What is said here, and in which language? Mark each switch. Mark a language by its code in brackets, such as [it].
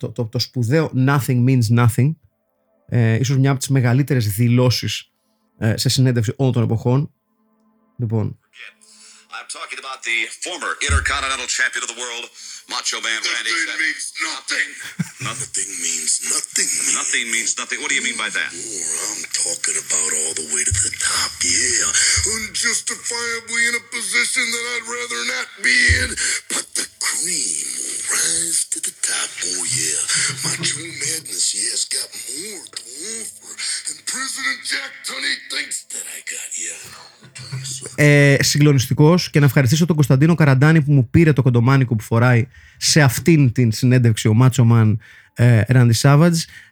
[el] Το σπουδαίο Nothing Means Nothing. Ίσως μια από τις μεγαλύτερες δηλώσεις σε συνέντευξη όλων των εποχών. Λοιπόν. [en] I'm talking about the former Intercontinental Champion of the World, Macho Man Randy Savage. Nothing means nothing. Nothing means nothing. Nothing means nothing. What do you mean by that? War, I'm talking about all the way to the top, yeah. Unjustifiably in a position that I'd rather not be in. But the cream will rise to the top, oh yeah. Macho Madness, yeah, has got more to offer than President Jack Tunney thinks that I got, yeah. [el] Συγκλονιστικός, και να ευχαριστήσω τον Κωνσταντίνο Καραντάνη που μου πήρε το κοντομάνικο που φοράει σε αυτήν την συνέντευξη ο Macho Man Randy Savage.